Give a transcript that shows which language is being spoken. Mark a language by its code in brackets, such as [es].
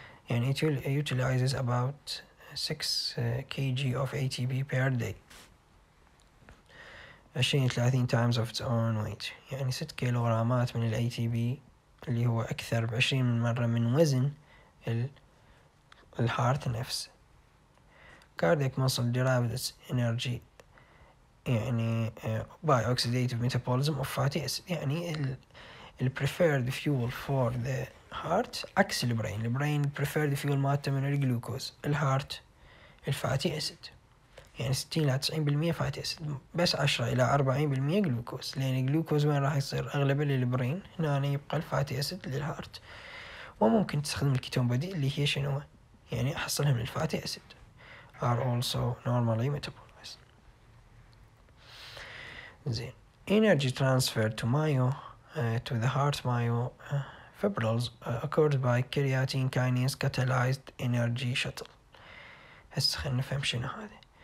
[ar] يعني [en] utilizes about 6 K G of A T P per day 20-30 times of its own weight, [ar] يعني 6 كيلوغرامات من الاي تي بي اللي هو أكثر بعشرين من مرة من وزن الهارت نفسه. [en] cardiac muscle derived its energy [ar] يعني [en] by oxidative metabolism of fatty acid، يعني ال preferred fuel for the heart [ar] عكس البرين. البرين preferred fuel مالته من الجلوكوز، الهارت الفاتي أسيد. يعني 60-90% فاتي أسيد بس 10-40% جلوكوز، لأن الجلوكوز وين راح يصير؟ أغلبه للبرين، هنا يبقى الفاتي أسيد للهارت. وممكن تستخدم الكيتون بودي اللي هي شنو؟ يعني أحصلها من الفاتي أسيد. [en] are also normally metabolized. زين energy transfer to myo to the heart myo fibrils occurs by creatine kinase catalyzed energy shuttle. [ar] هسه خلينا نفهم شنو هذا.